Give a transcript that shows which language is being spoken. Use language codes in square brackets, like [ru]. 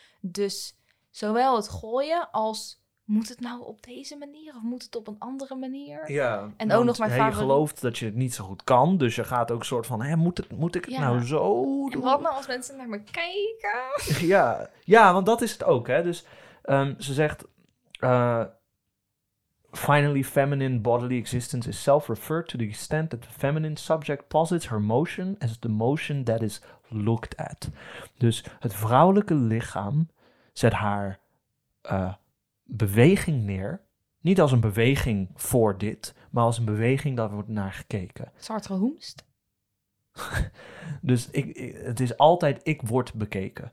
[nl] Dus zowel het gooien als... Moet het nou op deze manier of moet het op een andere manier? Ja, en ook nog mijn vader. Je gelooft dat je het niet zo goed kan. Dus je gaat ook soort van, hé, moet ik het nou zo doen? En wat nou als mensen naar me kijken? Ja, want dat is het ook. Hè. Dus ze zegt, [en] finally feminine bodily existence is self-referred to the extent that the feminine subject posits her motion as the motion that is looked at. [nl] Dus het vrouwelijke lichaam zet haar... beweging neer. Niet als een beweging voor dit, maar als een beweging dat wordt naar gekeken. Sartre Hoemst. Dus het is altijd ik word bekeken.